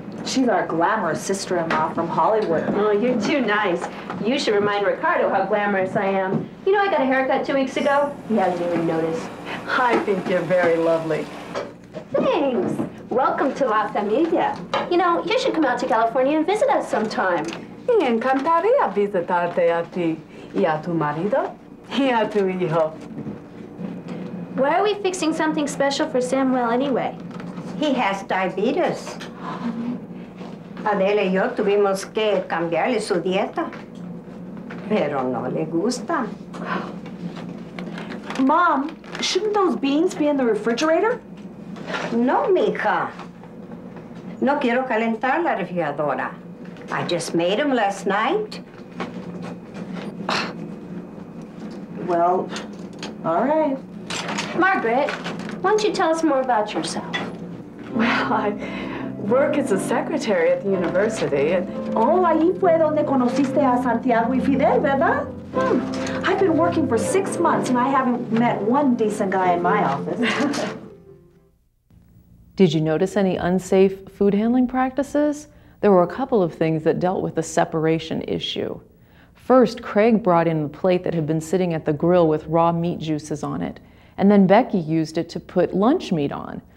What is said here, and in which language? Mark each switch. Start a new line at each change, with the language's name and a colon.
English: She's our glamorous sister-in-law from Hollywood. Oh, you're too nice. You should remind Ricardo how glamorous I am. You know I got a haircut 2 weeks ago? He hasn't even noticed. I think you're very lovely. Thanks. Welcome to La Familia. You know, you should come out to California and visit us sometime.
Spanish: Me encantaría visitarte a ti y a tu marido y a tu hijo.
English: Why are we fixing something special for Samuel anyway? He has diabetes.
Spanish: Adele y yo tuvimos que cambiarle su dieta. Pero no le gusta.
English: Mom, Shouldn't those beans be in the refrigerator?
Spanish: No, mija. No quiero calentar la refrigeradora.
English: I just made them last night. Well, all right. Margaret, why don't you tell us more about yourself? Well, I work as a secretary at the university.
Spanish: Oh, ahí fue donde conociste a Santiago y Fidel, ¿verdad?
English: I've been working for 6 months and I haven't met one decent guy in my office. Did you notice any unsafe food handling practices? There were a couple of things that dealt with the separation issue. First, Craig brought in the plate that had been sitting at the grill with raw meat juices on it, and then Becky used it to put lunch meat on.